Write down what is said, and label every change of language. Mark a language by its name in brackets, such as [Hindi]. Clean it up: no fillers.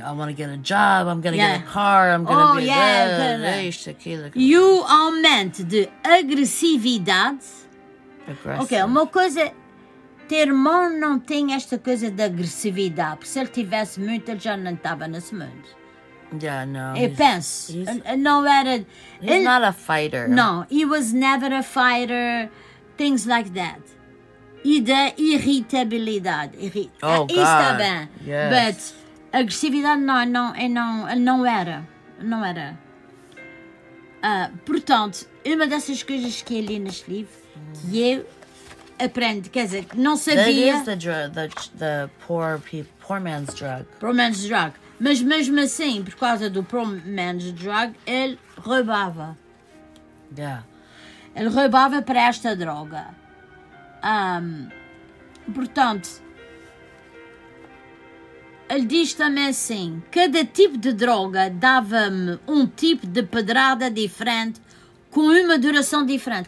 [English] I want to get a job, I'm going to get a car, I'm going to be [Portuguese] E o aumento de agressividade. [English] Aggressive. [Portuguese] Ok, uma coisa, teu irmão não tem esta coisa de agressividade, porque se ele tivesse muito, ele já não estava nesse mundo. [English] Yeah, no. [Portuguese] Eu penso. [English] He's not a fighter. No, he was never a fighter. Things like that. [Portuguese] E da irritabilidade. Isso está bem. [English] Yes. [Portuguese] But agressividade, não era. Não era. Portanto, uma dessas coisas que eu li neste livro, que eu aprendi, quer dizer, não sabia... [English] That is the poor people, poor man's drug. Poor man's drug. [Portuguese] Mas mesmo assim, por causa do [English] poor man's drug, [Portuguese] ele roubava. [English] Yeah. [Portuguese] Ele roubava para esta droga. Portanto, ele diz também assim, cada tipo de droga dava-me um tipo de pedrada diferente, com uma duração diferente.